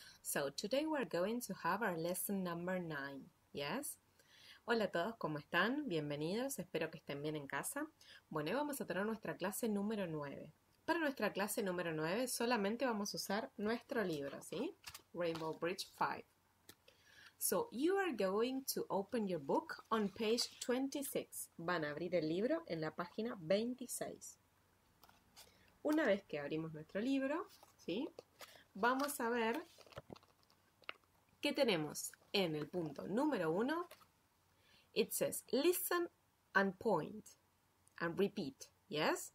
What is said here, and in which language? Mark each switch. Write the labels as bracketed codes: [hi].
[en] So today we're going to have our lesson number 9, yes? [es] Hola a todos, ¿cómo están? Bienvenidos, espero que estén bien en casa. Bueno, hoy vamos a tener nuestra clase número 9. Para nuestra clase número 9 solamente vamos a usar nuestro libro, ¿sí? [en] Rainbow Bridge 5. So you are going to open your book on page 26. [es] Van a abrir el libro en la página 26. Una vez que abrimos nuestro libro, ¿sí? Vamos a ver qué tenemos en el punto número 1. [en] It says, listen and point and repeat. Yes?